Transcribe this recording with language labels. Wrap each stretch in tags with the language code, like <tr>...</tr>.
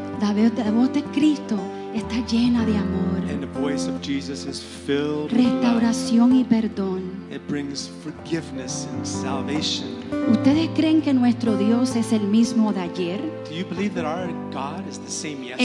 <es>La voz de Cristo está llena de amor.</es> <en>And the voice of Jesus is filled with</en> <es>restauración</es> <en>love.</en> <es>Y perdón.</es> <en>It brings forgiveness and salvation.</en> <es>¿Ustedes creen que nuestro Dios es el mismo de ayer?</es> <en>Do you believe that our God is the same yesterday?</en>